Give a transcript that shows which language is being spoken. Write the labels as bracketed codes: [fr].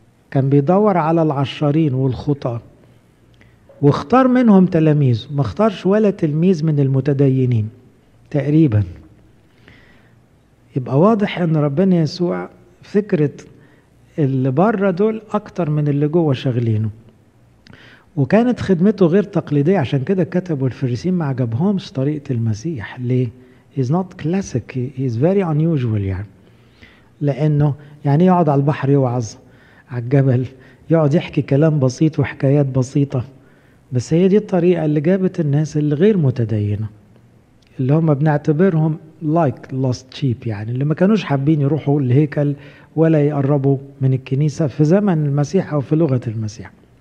[ar] كان بيدور على العشارين والخطاة، واختار منهم تلاميذ، ما اختارش ولا تلميذ من المتدينين تقريبا. يبقى واضح أن ربنا يسوع فكرة اللي بره دول أكتر من اللي جوه شغلينه، وكانت خدمته غير تقليدية. عشان كده كتبوا الفريسيين ما عجبهمش طريقة المسيح. ليه؟ [en] He's not classic. He's very unusual [ar] يعني. لأنه يعني يقعد على البحر يوعظ، على الجبل يقعد يحكي كلام بسيط وحكايات بسيطة، بس هي دي الطريقة اللي جابت الناس اللي غير متدينة، اللي هم بنعتبرهم [en] like lost sheep، [ar] يعني اللي ما كانوش حابين يروحوا الهيكل ولا يقربوا من الكنيسة في زمن المسيح أو في لغة المسيح.